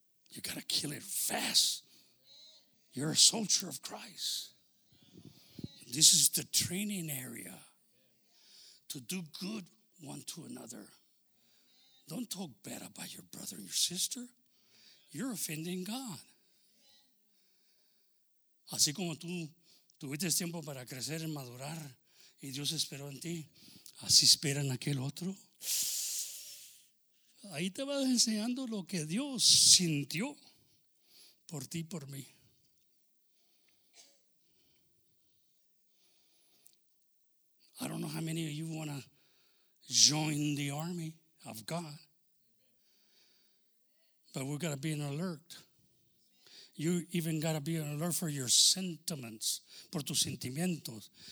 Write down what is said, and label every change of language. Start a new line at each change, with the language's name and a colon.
English: You gotta kill it fast. You're a soldier of Christ. This is the training area to do good one to another. Don't talk bad about your brother and your sister. You're offending God.
Spanish: Así como tú tuviste tiempo para crecer y madurar y Dios esperó en ti, así esperan aquel otro. Ahí te vas enseñando lo que Dios sintió por ti y por mí.
English: I don't know how many of you want to join the army of God, but we've got to be alert. You even got to be alert for your sentiments,
Spanish: por tus sentimientos.